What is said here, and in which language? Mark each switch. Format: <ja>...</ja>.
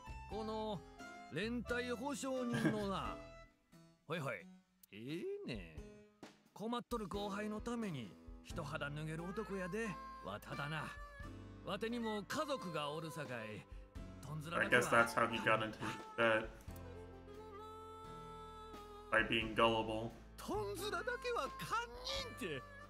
<ja>この連帯保証人のな。ほいほい。いいね。困っとる後輩のために人肌脱げる男やで。わただな。わてにも家族がおるさかい。とんずらな。</ja> <en>I guess that's how he got into debt. By being gullible.</en> <ja>とんずらだけは堪忍て。</ja>